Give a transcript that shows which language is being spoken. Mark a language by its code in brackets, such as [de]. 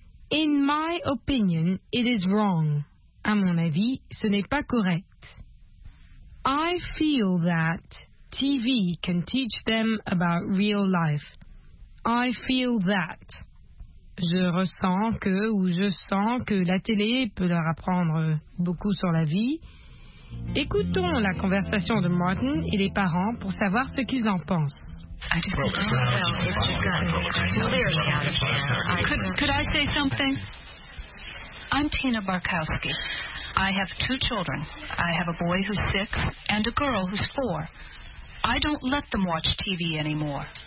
[en] In my opinion, it is wrong. [fr] À mon avis, ce n'est pas correct. [en] I feel that TV can teach them about real life. I feel that. [fr] Je ressens que, ou je sens que la télé peut leur apprendre beaucoup sur la vie. Écoutons la conversation de Martin et les parents pour savoir ce qu'ils en pensent. [en] I just don't know. It's just gotten clearly out of hand. Could I say something? I'm Tina Barkowski. I have two children. I have a boy who's 6 and a girl who's 4. I don't let them watch TV anymore.